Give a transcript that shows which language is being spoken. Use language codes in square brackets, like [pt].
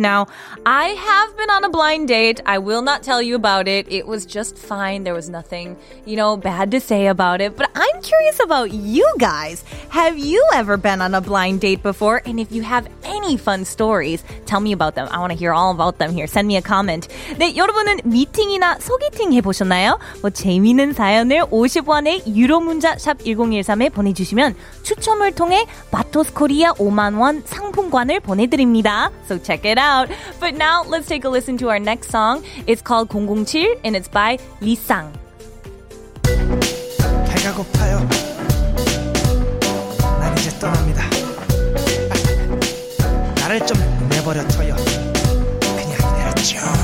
[en] Now, I have been on a blind date. I will not tell you about it. It was just fine. There was nothing, you know, bad to say about it. But I'm curious about you guys. Have you ever been on a blind date before? And if you have any fun stories, tell me about them. I want to hear all about them here. Send me a comment. [ko] 네, 여러분은 미팅이나 소개팅 해보셨나요? 뭐 재미있는 사연을 50원에 유로문자 샵 1013에 보내주시면 추첨을 통해 마토스 코리아 5만 원 상품권을 보내드립니다. [en] So check it out. But now let's take a listen to our next song. It's called 007 and it's by Lee Sang. [ko] 배가 고파요. 난 이제 떠납니다. 나를 좀 내버려둬요. 그냥 내렸죠.